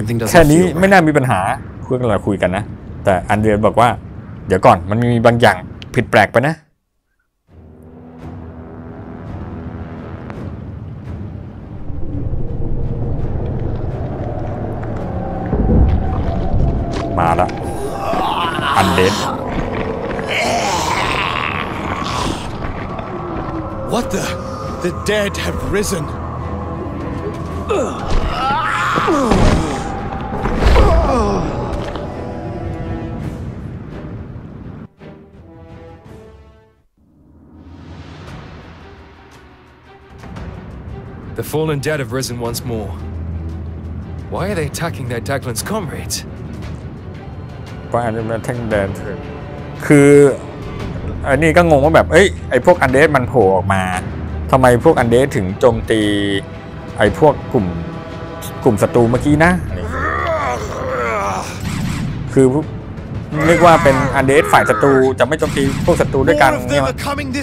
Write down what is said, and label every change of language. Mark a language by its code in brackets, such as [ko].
[th] แค่นี้ไม่น่ามีปัญหาเพื่อนกันเราคุยกันนะแต่อันเดรียบอกว่าเดี๋ยวก่อนมันมีบางอย่างผิดแปลกไปนะมาละอันเดรีย [en] What the dead have risen The fallen dead have risen once more. Why are they attacking their Daglan's comrades? [th] ว่าอันนี้มันแทงแดนเถอะคืออันนี้ก็งงว่าแบบเอ้ยไอ้พวกอันเดสมันโผล่ออกมาทำไมพวกอันเดสถึงโจมตีไอ้พวกกลุ่มศัตรูเมื่อกี้นะคือนึกว่าเป็นอันเดสฝ่ายศัตรูจะไม่โจมตีพวกศัตรูด้วยกันเน